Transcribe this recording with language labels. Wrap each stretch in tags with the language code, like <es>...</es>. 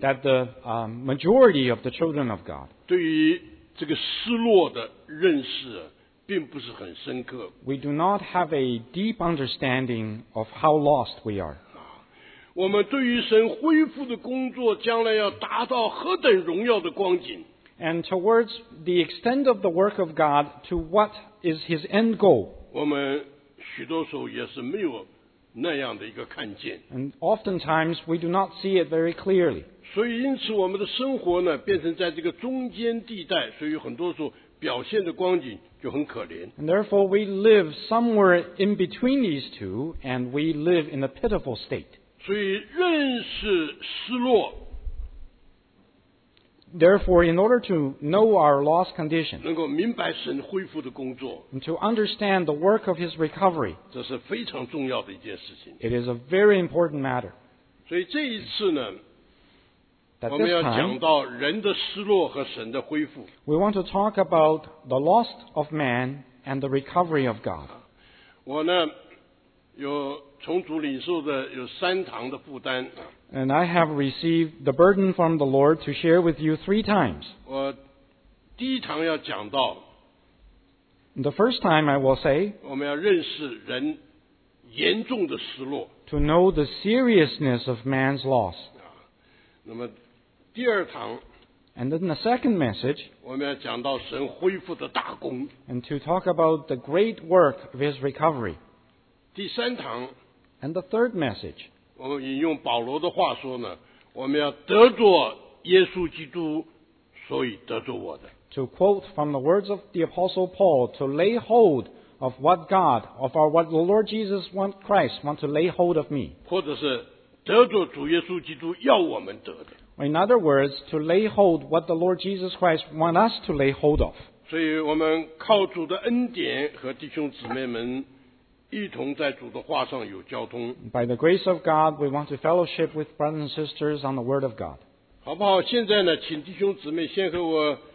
<en>that the majority of the children of God</en> <zh>对于这个失落的认识并不是很深刻</zh> <en>We do not have a deep understanding of how lost we are.</en> <zh>我们对于神恢复的工作将来要达到何等荣耀的光景</zh> <en>And towards the extent of the work of God, to what is His end goal?</en> <zh>我们许多时候也是没有那样的一个看见</zh> <en>And oftentimes, we do not see it very clearly.</en> <zh>所以因此我们的生活呢变成在这个中间地带所以很多时候表现的光景就很可怜</zh> <en>And therefore, we live somewhere in between these two, and we live in a pitiful state.</en> <zh>所以认识失落</zh> <en>Therefore, in order to know our lost condition,</en> <zh>能够明白神恢复的工作</zh> <en>and to understand the work of His recovery,</en> <zh>这是非常重要的一件事情</zh> <en>It is a very important matter.</en> <zh>所以这一次呢</zh> <en>That</en> <zh>我们要讲到人的失落和神的恢复</zh> <en>We want to talk about the lost of man and the recovery of God.</en> <zh>我呢有从主领受的有三堂的负担</zh> <en>And I have received the burden from the Lord to share with you three times.</en> <zh>我第一堂要讲到</zh> <en>The first time I will say</en> <zh>我们要认识人严重的失落</zh> <en>To know the seriousness of man's loss.</en> <zh>那么第二堂</zh> <en>And then the second message</en> <zh>我们要讲到神恢复的大功</zh> <en>And to talk about the great work of his recovery.</en> <zh>第三堂</zh> <en>And the third message.</en> <zh>我们引用保罗的话说呢，我们要得着耶稣基督，所以得着我的。</zh> <en>To quote from the words of the Apostle Paul, to lay hold of what God, of our what the Lord Jesus want Christ want to lay hold of me.</en> <zh>或者是得着主耶稣基督要我们得的。</zh> <en>In other words, to lay hold what the Lord Jesus Christ want us to lay hold of.</en> <zh>所以我们靠主的恩典和弟兄姊妹们。一同在主的话上有交通。</zh> <en>By the grace of God, we want to fellowship with brothers and sisters on the word of God.</en> <zh>好不好？现在呢，请弟兄姊妹先和我</zh>